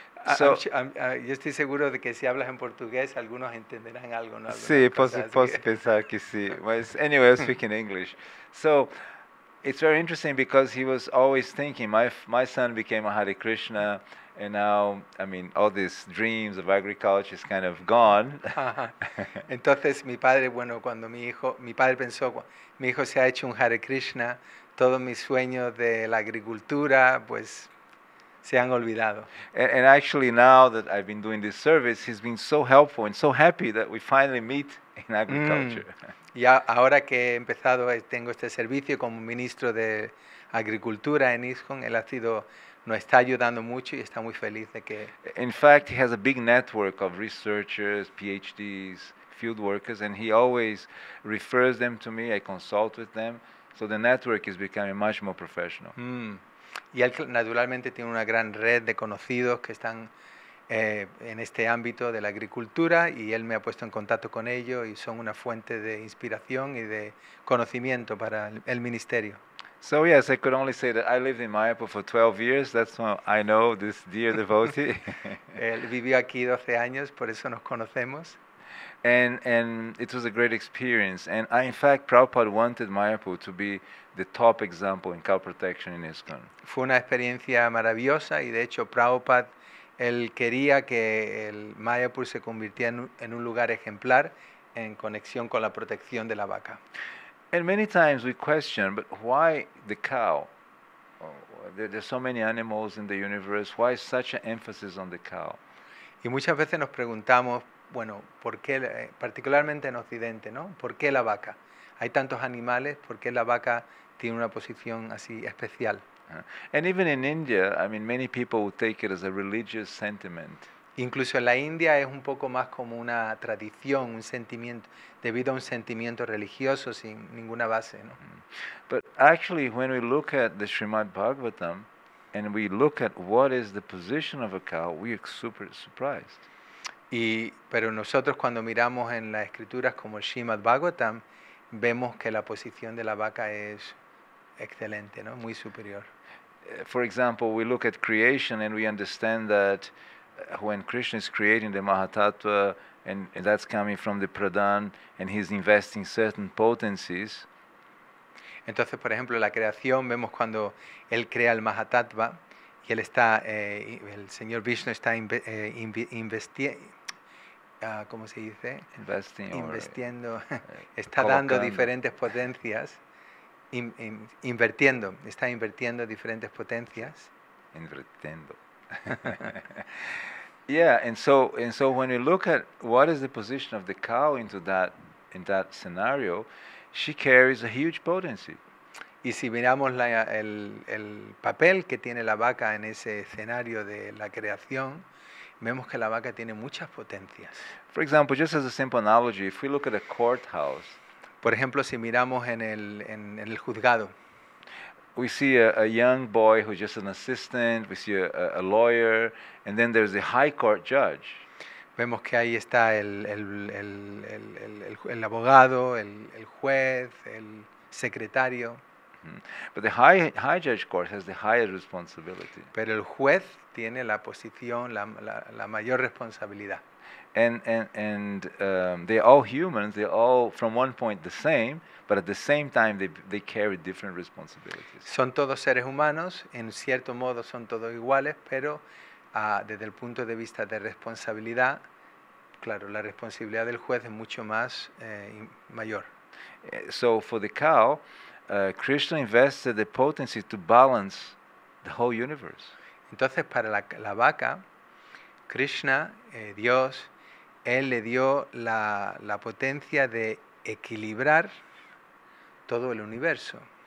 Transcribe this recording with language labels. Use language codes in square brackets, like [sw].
[es] Yo estoy seguro de que si hablas en portugués, algunos entenderán algo, ¿no? Sí, puedo pensar que sí. [en] Well, anyway, I speak in English. So, It's very interesting because he was always thinking, my son became a Hare Krishna, and now, I mean, all these dreams of agriculture is kind of gone. [es] Entonces, mi padre, bueno, cuando mi padre pensó, mi hijo se ha hecho un Hare Krishna, todos mis sueños de la agricultura, pues, se han olvidado. [en] And actually, now that I've been doing this service, he's been so helpful and so happy that we finally meet in agriculture. [es] Y ahora que he empezado, tengo este servicio como ministro de agricultura en ISKCON, él ha sido, nos está ayudando mucho y está muy feliz de que... [en] In fact, he has a big network of researchers, PhDs, field workers, and he always refers them to me, I consult with them, so the network is becoming much more professional. [es] Y él naturalmente tiene una gran red de conocidos que están en este ámbito de la agricultura y él me ha puesto en contacto con ellos y son una fuente de inspiración y de conocimiento para el ministerio. [en] So yes, I could only say that I lived in Mayapur for 12 years, that's why I know this dear devotee. [es] Él vivió aquí 12 años, por eso nos conocemos. [en] And it was a great experience. And I, in fact, Prabhupada wanted Mayapur to be the top example in cow protection in ISKCON. [es] Fue una experiencia maravillosa y de hecho Prabhupada, él quería que el Mayapur se convirtiera en un lugar ejemplar en conexión con la protección de la vaca. [en] And many times we question, but why the cow? There's so many animals in the universe. Why such an emphasis on the cow? [es] Y muchas veces nos preguntamos, bueno, ¿por qué, particularmente en Occidente, ¿no? ¿Por qué la vaca? Hay tantos animales, ¿por qué la vaca tiene una posición así especial? [en] And even in India, I mean, many people would take it as a religious sentiment. [es] Incluso en la India es un poco más como una tradición, un sentimiento, debido a un sentimiento religioso sin ninguna base, ¿no? [en] But actually, when we look at the Srimad Bhagavatam and we look at what is the position of a cow, we are super surprised. [es] Pero nosotros cuando miramos en las escrituras como el Srimad Bhagavatam, vemos que la posición de la vaca es excelente, ¿no? Muy superior. [en] For example, we look at creation and we understand that when Krishna is creating the Mahatattva and that's coming from the Pradhan and he's investing certain potencies. [es] Entonces, por ejemplo, la creación, vemos cuando él crea el Mahatattva y él está, el señor Vishnu está invirtiendo diferentes potencias. [en] Yeah, and so when you look at what is the position of the cow into that, in that scenario, she carries a huge potency. [es] Y si miramos el papel que tiene la vaca en ese escenario de la creación, vemos que la vaca tiene muchas potencias. [en] For example, just as a simple analogy, if we look at a courthouse, [es] por ejemplo, si miramos en el juzgado, [en] we see a young boy who's just an assistant, we see a lawyer, and then there's the high court judge. [es] Vemos que ahí está el abogado, el juez, el secretario. [en] But the high judge court has the higher responsibility. [es] Pero el juez tiene la posición, la mayor responsabilidad. [en] And they're all humans, they're all from one point the same, but at the same time they carry different responsibilities. [es] Son todos seres humanos, en cierto modo son todos iguales, pero desde el punto de vista de responsabilidad, claro, la responsabilidad del juez es mucho más mayor. [en] So for the cow, Krishna invested the potency to balance the whole universe. [es] Entonces para la vaca, Krishna, Dios, él le dio la potencia de equilibrar todo el universo.